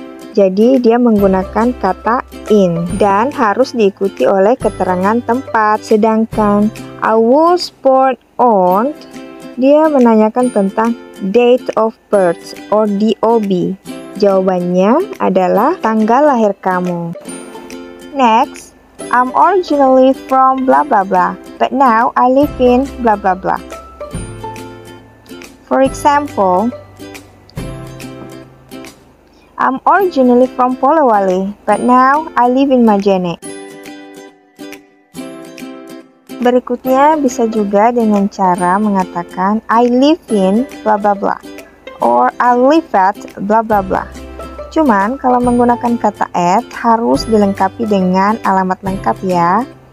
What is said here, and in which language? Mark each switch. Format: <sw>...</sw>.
<id>Jadi dia menggunakan kata in dan harus diikuti oleh keterangan tempat. Sedangkan</id> <en>I was born on,</en> <id>dia menanyakan tentang</id> <en>date of birth or DOB.</en> <id>Jawabannya adalah tanggal lahir kamu.</id> <en>Next, I'm originally from blah blah blah, but now I live in blah blah blah. For example, I'm originally from Polewali, but now I live in Majene.</en> <id>Berikutnya bisa juga dengan cara mengatakan</id> <en>I live in blah blah blah or I live at blah blah blah.</en> <id>Cuman kalau menggunakan kata at harus dilengkapi dengan alamat lengkap ya.</id>